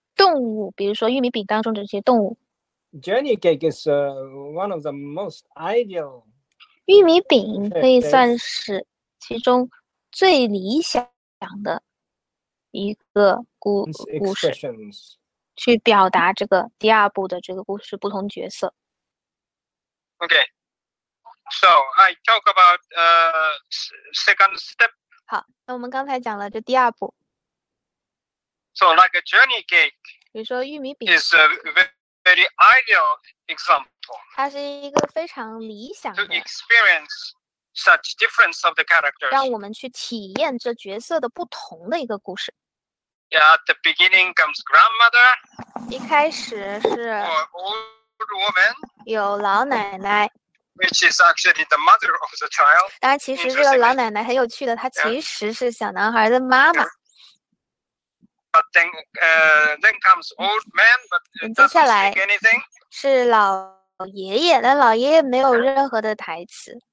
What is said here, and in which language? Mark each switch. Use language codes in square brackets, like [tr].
[zh] 动物，比如说玉米饼当中的这些动物。 [en] Journey cake is one of the most ideal. [zh] 玉米饼可以算是其中最理想的一个故事，去表达这个第二步的这个故事不同角色。 [en] Okay. So I talk about second step. [zh] 好，那我们刚才讲了这第二步。 [en] So like a journey cake. [zh] 比如说玉米饼。 [en] Is a very ideal example. [zh] 它是一个非常理想的。 [en] To experience such difference of the characters. [zh] 让我们去体验这角色的不同的一个故事。 [en] Yeah, at the beginning comes grandmother. [zh] 一开始是。 [en] Or old woman. [zh] 有老奶奶。 [en] Which is actually the mother of the child. [zh] 当然，其实这个老奶奶很有趣的，她其实是小男孩的妈妈。 [en] But then, then comes old man, but doesn't speak anything. [zh] 是老爷爷，但老爷爷没有任何的台词。